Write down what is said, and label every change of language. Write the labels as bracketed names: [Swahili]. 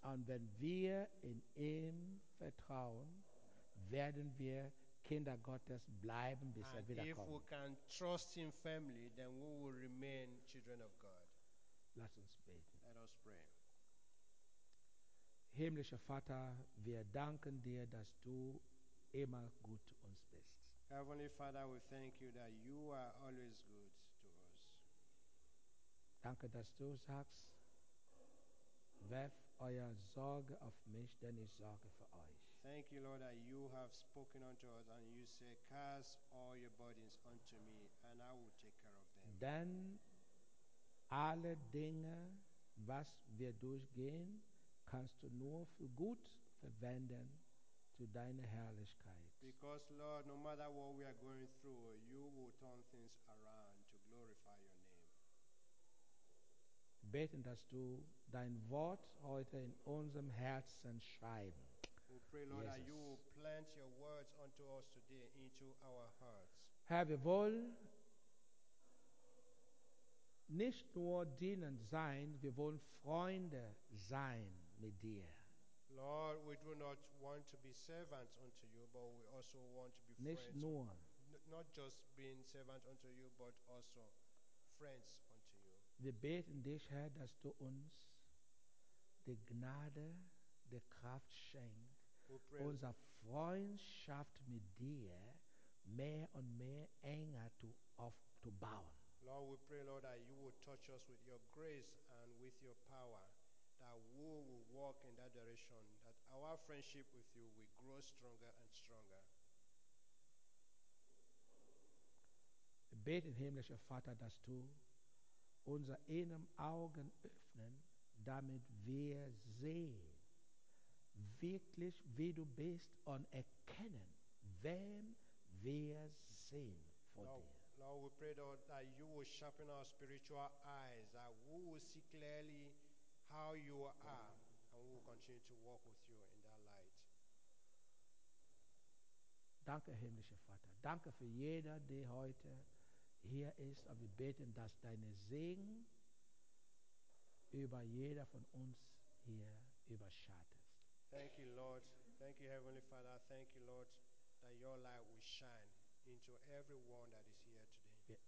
[German] Und wenn wir in ihm vertrauen, werden wir Kinder Gottes bleiben, bis [English] and [German] er wiederkommt. [English] If we can trust him firmly, then we will remain children of God. [German] Lass uns beten. [English] Let us pray. [German] Himmlischer Vater, wir danken dir, dass du immer gut zu uns bist. [English] Heavenly Father, we thank you that you are always good to us. [German] Danke, dass du sagst, werf euer Sorge auf mich, denn ich sorge für euch. [English] Thank you, Lord, that you have spoken unto us and you say, cast all your burdens unto me and I will take care of them. [German] Denn alle Dinge, was wir durchgehen, kannst du nur für gut verwenden zu deiner Herrlichkeit. [English] Because, Lord, no matter what we are going through, you will turn things around to glorify your name. [German] Beten, dass du dein Wort heute in unserem Herzen schreiben. [English] We pray, Lord, Jesus, that you will plant your words unto us today into our hearts. [German] Herr, wir wollen nicht nur dienen sein, wir wollen Freunde sein mit dir. [English] Lord, we do not want to be servants unto you, but we also want to be [German] nicht [English] friends. [German] Nur. [English] Not just being servant unto you, but also friends unto you. [German] Wir beten dich, Herr, dass du uns die Gnade, die Kraft schenkst, unsere Freundschaft mit dir mehr und mehr enger zu bauen. [English] Lord, we pray, Lord, that you will touch us with your grace and with your power, that we will walk in that direction, that our friendship with you will grow stronger and stronger. [German] Wir beten, himmlischer Vater, dass du unser inneren Augen öffnen, damit wir sehen, wirklich wie du bist und erkennen, wem wir sind vor [English] Lord, [German] dir. [English] Lord, we pray, Lord, that you will sharpen our spiritual eyes, that we will see clearly how you are, and we will continue to walk with you in that light. [German] Danke, himmlischer Vater. Danke für jeder, der heute hier ist, und wir beten, dass deine Segen über jeder von uns hier überschattet. [English] Thank you, Lord. Thank you, Heavenly Father. Thank you, Lord, that your light will shine into everyone that is here today.